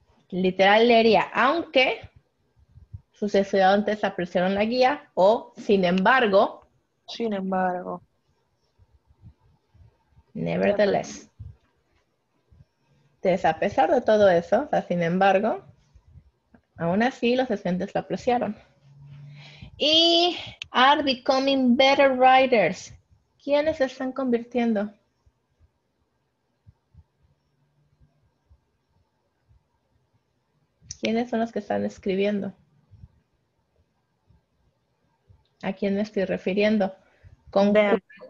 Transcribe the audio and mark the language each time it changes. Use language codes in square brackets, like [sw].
[es] Literal leería, aunque sus estudiantes apreciaron la guía, o sin embargo. Sin embargo. [en] Nevertheless. [es] Entonces, a pesar de todo eso, o sea, sin embargo, aún así los estudiantes lo apreciaron. [en] Y are becoming better writers. [es] ¿Quiénes se están convirtiendo? ¿Quiénes son los que están escribiendo? ¿A quién me estoy refiriendo? ¿Con [en] them.